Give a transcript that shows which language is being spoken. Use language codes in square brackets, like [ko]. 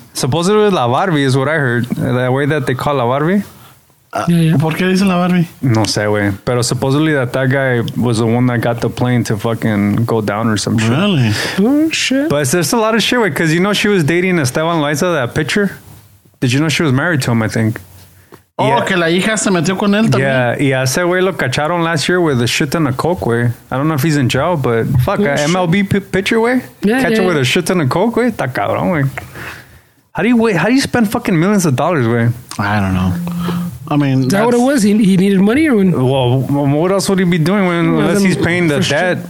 [en] Supposedly la Barbie is what I heard. The way that they call la Barbie. [es] Yeah. ¿Por qué dicen la Barbie? No sé, güey. [en] Pero supposedly that guy was the one that got the plane to fucking go down or some shit. Really? Oh, shit. But there's a lot of shit, güey. Because you know she was dating Esteban Loaiza, that pitcher? Did you know she was married to him, I think? [es] Oh, yeah. Que la hija se metió con él también. [en] Yeah, y a ese güey lo cacharon last year with a shit ton of coke, güey. I don't know if he's in jail, but fuck, MLB pitcher, güey? Yeah, Catching with a shit ton of coke, güey? Está cabrón, güey. How do you spend fucking millions of dollars, güey? I don't know. I mean, is that what it was? He needed money, or when? Well, what else would he be doing when, unless he's paying the debt?